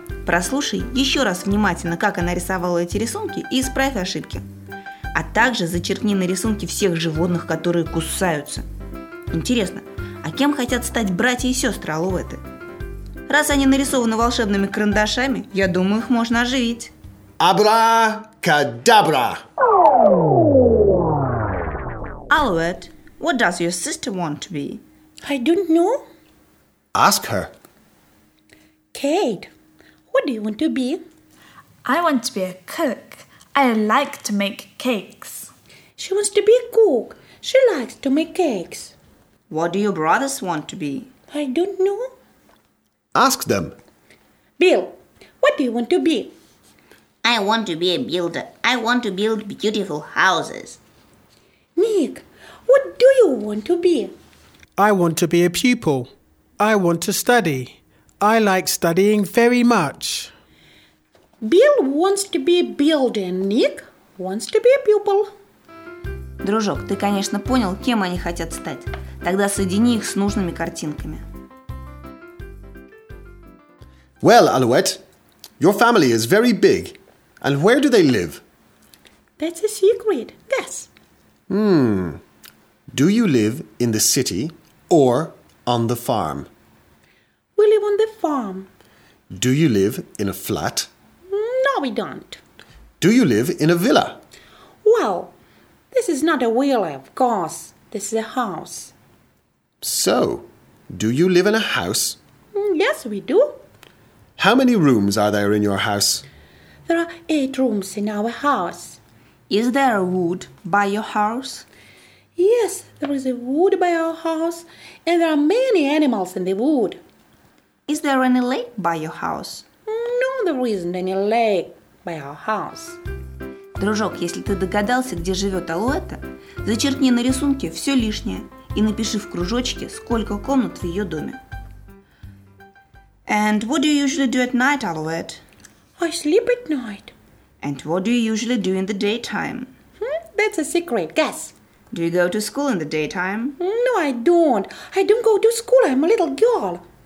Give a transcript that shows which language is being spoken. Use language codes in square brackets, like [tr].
[ru] Прослушай еще раз внимательно, как она рисовала эти рисунки, и исправь ошибки. А также зачеркни на рисунке всех животных, которые кусаются. Интересно, а кем хотят стать братья и сестры Алоэты? Раз они нарисованы волшебными карандашами, я думаю, их можно оживить. Абра-кадабра! [en] Алоэт, what does your sister want to be? I don't know. Ask her. Kate, what do you want to be? I want to be a cook. I like to make cakes. She wants to be a cook. She likes to make cakes. What do your brothers want to be? I don't know. Ask them. Bill, what do you want to be? I want to be a builder. I want to build beautiful houses. Nick, what do you want to be? I want to be a pupil. I want to study. I like studying very much. Bill wants to be a builder, and Nick wants to be a pupil. [ru] Дружок, ты, конечно, понял, кем они хотят стать. Тогда соедини их с нужными картинками. [en] Well, Alouette, your family is very big. And where do they live? That's a secret. Guess. Do you live in the city or on the farm? We live on the farm. Do you live in a flat? No, we don't. Do you live in a villa? Well, this is not a villa, of course. This is a house. So, do you live in a house? Yes, we do. How many rooms are there in your house? There are 8 rooms in our house. Is there a wood by your house? Yes, there is a wood by our house, and there are many animals in the wood. Is there any lake by your house? No, there isn't any lake by our house. [ru] Дружок, если ты догадался, где живет Алоэта, зачеркни на рисунке все лишнее и напиши в кружочке, сколько комнат в ее доме. [en] And what do you usually do at night, Alouette? I sleep at night. And what do you usually do in the daytime? That's a secret, guess. Do you go to school in the daytime? No, I don't. I don't go to school. I'm a little girl.